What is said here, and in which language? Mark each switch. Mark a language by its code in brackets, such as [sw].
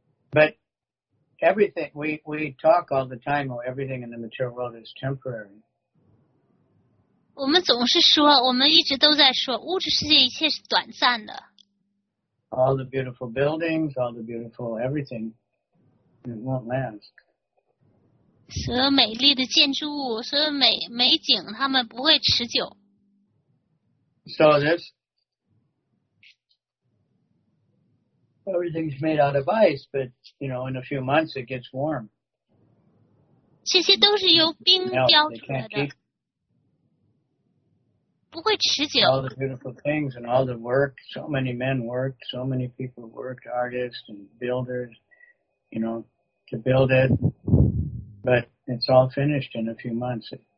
[en] But everything, we talk all the time, oh, everything in the material world is temporary. [zh] 我们总是说，我们一直都在说，物质世界一切是短暂的。 [en] All the beautiful buildings, all the beautiful everything, it won't last. [zh] 所有美丽的建筑物，所有美景，它们不会持久。 [en] So this everything's made out of ice, but you know, in a few months it gets warm. [zh] 这些都是由冰雕出来的，不会持久。 [en] All the beautiful things and all the work, so many men worked, so many people worked, artists and builders, you know, to build it. But it's all finished in a few months.